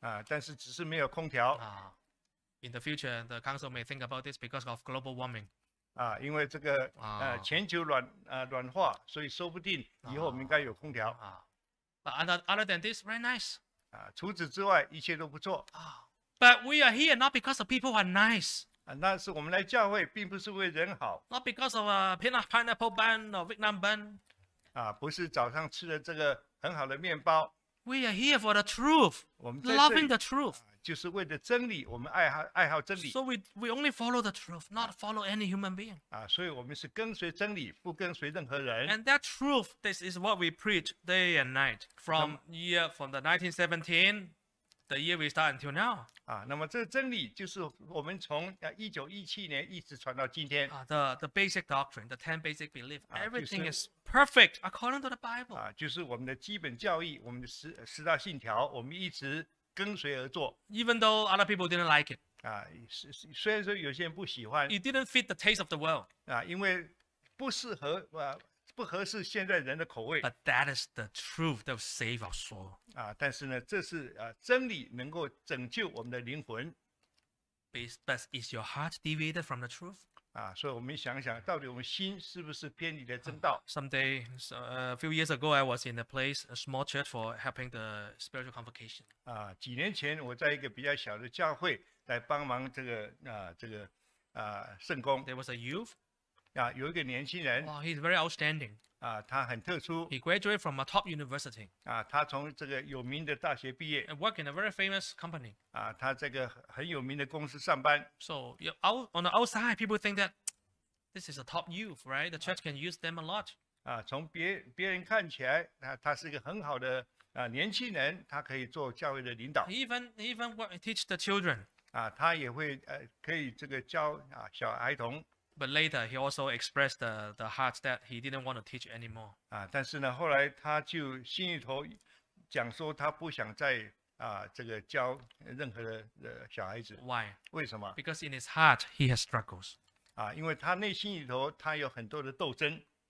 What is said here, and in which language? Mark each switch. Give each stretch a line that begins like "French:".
Chinese: 但是只是没有空调。
English: In the future, the council may think about this because of global warming.
Chinese: 因为这个, 全球暖, 暖化, 所以说不定以后我们应该有空调。
English: But other than this, very nice.
Chinese: 除此之外, 一切都不错。
English: But we are here not because the people are nice.
Chinese: 那是我们来教会, 并不是为人好。
English: Not because of a peanut pineapple bun or Vietnam bun.
Chinese: 不是早上吃的这个很好的面包。
English: We are here for the truth.
Chinese: 我们在这里,
English: loving the truth.
Chinese: 就是为了真理, 我们爱好真理。
English: So we only follow the truth, not follow any human being.
Chinese: 所以我们是跟随真理, 不跟随任何人。
English: And that truth, this is what we preach day and night from year, from the 1917, the year we start until now.
Chinese: 那么这真理就是我们从 1917年 一直传到今天。
English: The basic doctrine, the 10 basic beliefs, everything
Chinese: 就是,
English: is perfect according to the Bible.
Chinese: 就是我们的基本教义, 我们的十大信条, 我们一直跟随而做。
English: Even though other people didn't like it.
Chinese: 啊，虽然说有些人不喜欢。
English: It didn't fit the taste of the world.
Chinese: 啊，因为不适合啊。不合适现在人的口味。
English: But that is the truth that will save our soul.
Chinese: 啊，但是呢，这是啊，真理能够拯救我们的灵魂。
English: But is your heart deviated from the truth?
Chinese: 啊，所以我们想想，到底我们心是不是偏离了正道
English: ？Someday, so, a few years ago, I was in a place, a small church for helping the spiritual convocation.
Chinese: 啊，几年前我在一个比较小的教会来帮忙这个啊，这个啊，圣工。
English: There was a youth.
Chinese: 啊、有一个年轻人、
English: wow, he's very outstanding、
Chinese: 啊、他很特殊
English: he graduated from a top university、
Chinese: 啊、他从这个有名的大学毕业
English: and worked in a very famous company、
Chinese: 啊、他这个很有名的公司上班
English: so on the outside people think that this is a top youth right the church can use them a lot、
Chinese: 啊、从 别人看起来 他是一个很好的、啊、年轻人他可以做教会的领导
English: he even teach the children、
Chinese: 啊、他也会、可以这个教、啊、小孩童
English: But later, he also expressed the heart that he didn't want to teach anymore.
Chinese: 啊，但是呢，后来他就心里头讲说，他不想再啊这个教任何的、小孩子。
English: Why?
Chinese: 为什么
English: ？Because in his heart, he has struggles.
Chinese: 啊，因为他内心里头他有很多的斗争。